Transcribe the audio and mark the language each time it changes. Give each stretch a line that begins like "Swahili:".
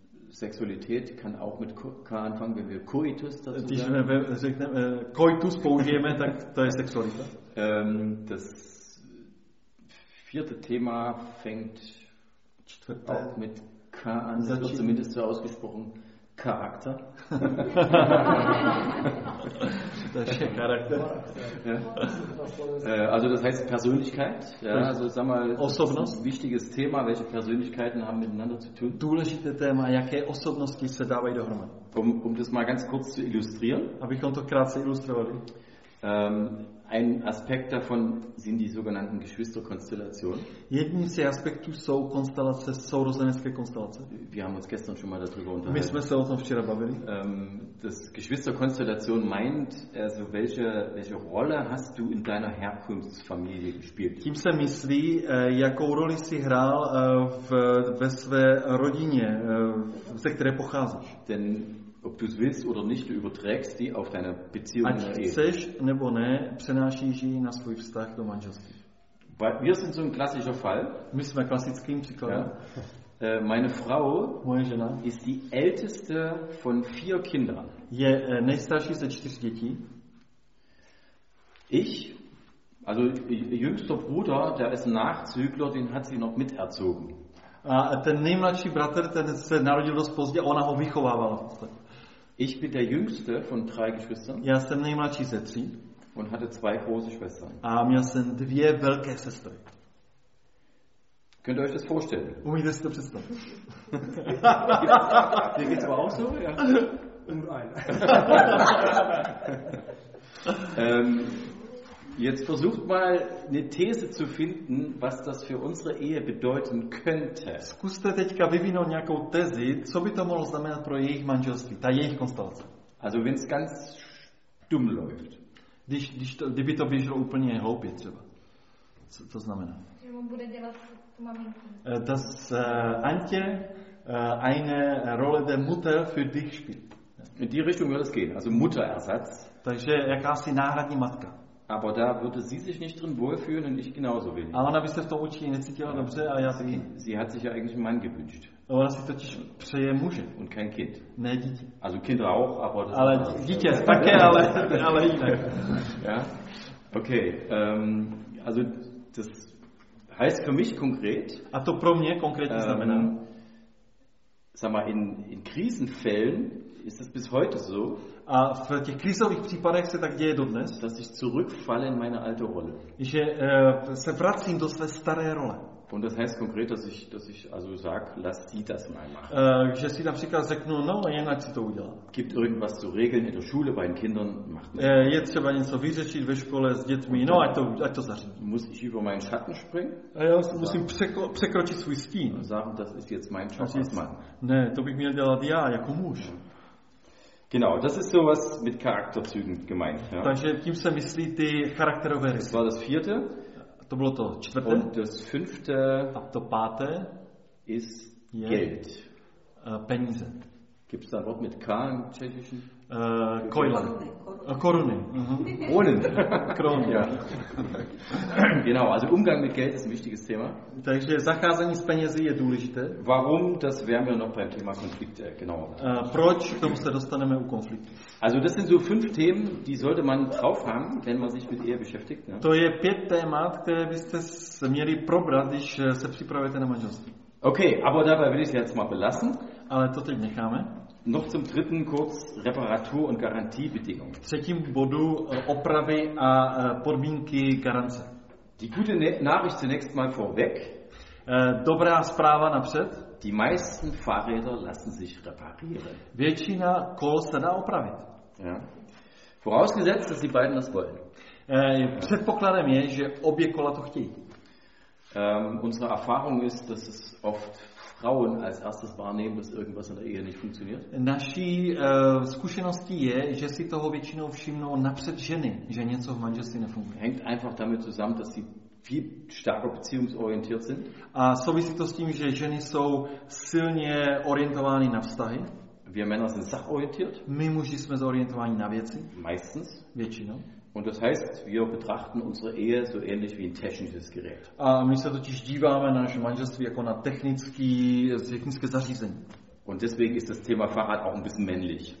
German: Sexualität kann auch mit K anfangen, wenn wir Koitus dazu sagen.
Czech: Když řekneme, Koitus použijeme, tak to je sexualita.
German: Das vierte Thema fängt
Czech: Čtvrté.
German: Auch mit K an. Das wird zumindest so ausgesprochen. Charakter. Das ist ja Charakter. Ja. Also das heißt Persönlichkeit. Ja, also sag mal, das ist ein wichtiges Thema, welche Persönlichkeiten haben miteinander zu tun.
Czech: Důležité téma, jaké osobnosti se dávají dohromady.
German: Um das mal ganz kurz zu illustrieren.
Czech: Abychom to krátce ilustrovali.
German: Ein Aspekt davon sind die sogenannten Geschwisterkonstellationen.
Czech: Jedním z aspektů jsou konstelace, sourozenecké konstelace.
German: Wir haben uns gestern schon mal darüber unterhalten.
Czech: My jsme se o tom včera bavili.
German: Das Geschwisterkonstellation meint, also welche Rolle hast du in deiner Herkunftsfamilie gespielt?
Czech: Tím se myslí, jakou roli jsi hrál ve své rodině, ze které pocházíš.
German: Denn ob du es willst oder nicht, du überträgst die auf deine Beziehung.
Czech: Ať chceš nebo ne, přenášíš ji na svůj vztah do manželství.
German: Wir sind so ein klassischer Fall.
Czech: My jsme klasickým příkladem.
German: Meine Frau,
Czech: moje žena,
German: ist die älteste von vier Kindern.
Czech: Je nejstarší ze čtyř dětí.
German: Ich, also jüngster Bruder, der ist Nachzügler, den hat sie noch miterzogen.
Czech: A ten nejmladší bratr, ten se narodil dost pozdě, ona ho vychovávala.
German: Ich bin der jüngste von drei Geschwistern.
Czech: Já jsem nejmladší ze tří.
German: Und hatte zwei große Schwestern.
Czech: A měl jsem dvě velké sestry.
German: Könnt ihr euch das vorstellen? Ui, das ist der Pistol. Hier geht es aber auch so, ja. Und ein. Jetzt versucht mal eine These zu finden, was das für unsere Ehe bedeuten könnte.
Czech: Zkuste teďka vyvinout nějakou tezi, co by to mohlo znamenat pro jejich manželství, ta jejich konstelace.
German: Also wenn es ganz dumm läuft.
Czech: Kdyby to běželo úplně hloupě třeba. Co to znamená? Že on bude dělat tu maminku.
German: Dass Antje eine Rolle der Mutter für dich spielt. In die Richtung würde es gehen, also Mutterersatz.
Czech: Takže jakási náhradní matka.
German: Aber da würde sie sich nicht drin wohlfühlen und ich genauso wenig.
Czech: Ale ona by se v tom určitě necítila dobře a já taky.
German: Sie hat sich ja eigentlich einen Mann gewünscht.
Czech: Ona si totiž přeje muže.
German: Und kein Kind.
Czech: Ne, dítě.
German: Also Kind auch, aber das...
Czech: Ale dítě také, ale jinak.
German: Ja, okay. Also das heißt für mich konkret...
Czech: A to pro mě konkrétně znamená...
German: Sag mal, in Krisenfällen... Ist es bis heute so?
Czech: A v těch krizových případech se tak děje dodnes,
German: dass ich zurückfalle in meine alte Rolle.
Czech: Že se vracím do své staré role.
German: Und das heißt konkret, dass ich also sag, lass sie das mal machen.
Czech: Že si například řeknu, no, jen ať si to udělá.
German: Gibt irgendwas zu regeln in der Schule bei den Kindern, macht nicht.
Czech: Je třeba něco vyřešit ve škole s dětmi, no, ať to zařídí.
German: Muss ich über meinen Schatten springen?
Czech: A já musím překročit svůj stín.
German: Sagen, das ist jetzt mein Job als Mann.
Czech: Ne, to bych měl dělat já, jako muž.
German: Genau, das ist sowas mit Charakterzügen gemeint. Ja.
Czech: Takže tím se myslí ty charakterové rysy.
German: Das war das vierte.
Czech: To bylo to čtvrté.
German: Und das fünfte.
Czech: A to páté.
German: Ist Geld.
Czech: Peníze.
German: Gibt's da ein Wort mit K im Tschechischen? Koilan.
Czech: Koruny.
German: Kronen. Kronen, ja. Genau, also Umgang mit Geld ist ein wichtiges Thema.
Czech: Takže zacházení s penězi je důležité.
German: Warum, das werden wir noch beim Thema Konflikte genauer.
Czech: Proč k tomu se dostaneme u konfliktu?
German: Also das sind so fünf Themen, die sollte man drauf haben, wenn man sich mit Ehe beschäftigt.
Czech: Ne? To je pět témat, které byste měli probrat, když se připravujete na manželství.
German: Okay, aber dabei will ich es jetzt mal belassen.
Czech: Ale to teď necháme.
German: Noch zum dritten kurz Reparatur- und Garantiebedingungen.
Czech: Třetím bodu opravy a podmínky garance.
German: Die gute Nachricht zunächst mal vorweg.
Czech: Dobrá zpráva napřed.
German: Die meisten Fahrräder lassen sich reparieren.
Czech: Většina kol se dá opravit.
German: Ja. Vorausgesetzt, dass die beiden das wollen.
Czech: Předpokladem je, že obě kola to chtějí.
German: Unsere Erfahrung ist, dass es oft Frauen als erstes wahrnehmen, dass irgendwas in der Ehe nicht funktioniert.
Czech: Naší zkušeností je, že si toho většinou všimnou napřed ženy, že něco v manželství nefunguje.
German: Hängt einfach damit zusammen, dass sie viel stärker beziehungsorientiert sind.
Czech: A souvisí to s tím, že ženy jsou silně orientovány na vztahy.
German: Wir Männer sind sachorientiert.
Czech: My muži jsme zorientováni na věci.
German: Meistens.
Czech: Většinou.
German: Und das heißt, wir betrachten unsere Ehe so ähnlich wie ein technisches Gerät.
Czech: A my se totiž díváme na naše manželství jako na technické zařízení.
German: Und deswegen ist das Thema Fahrrad auch ein bisschen männlich.